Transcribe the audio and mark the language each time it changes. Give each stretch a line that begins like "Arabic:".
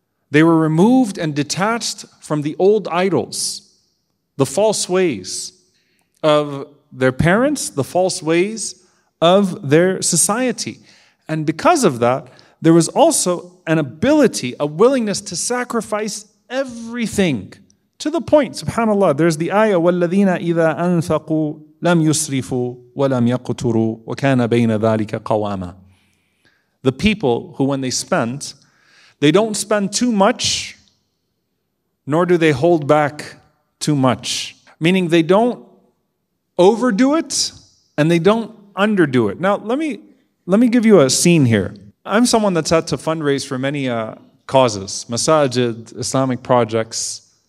English: They were removed and detached from the old idols, the false ways of their parents, the false ways of their society. And because of that, there was also an ability, a willingness to sacrifice everything. To the point, subhanAllah, there's the ayah,
Arabic: وَالَّذِينَ إِذَا أَنْفَقُوا لَمْ يُسْرِفُوا وَلَمْ يَقْتُرُوا وَكَانَ بَيْنَ ذَلِكَ قَوَامًا.
English: The people who, when they spend, they don't spend too much, nor do they hold back too much. Meaning they don't overdo it, and they don't underdo it. Now, let me give you a scene here. I'm someone that's had to fundraise for many causes, masajid, Islamic projects.